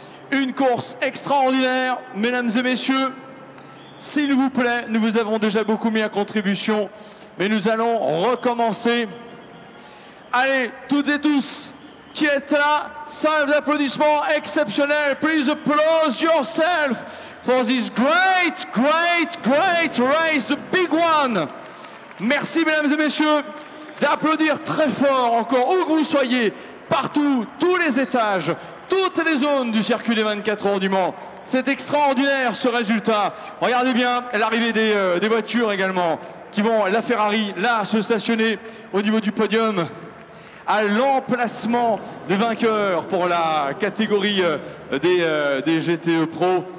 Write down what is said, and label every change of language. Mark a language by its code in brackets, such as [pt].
[fr] Une course extraordinaire, mesdames et messieurs. S'il vous plaît, nous vous avons déjà beaucoup mis à contribution, mais nous allons recommencer. Allez, toutes et tous qui êtes là, salve d'applaudissements exceptionnels. [en] Please applause yourself for this great, great, great race, the big one. [fr] Merci, mesdames et messieurs, d'applaudir très fort encore, où que vous soyez. Partout, tous les étages, toutes les zones du circuit des 24 heures du Mans. C'est extraordinaire ce résultat. Regardez bien l'arrivée des voitures également, qui vont, la Ferrari, là, se stationner au niveau du podium, à l'emplacement des vainqueurs pour la catégorie des GTE Pro.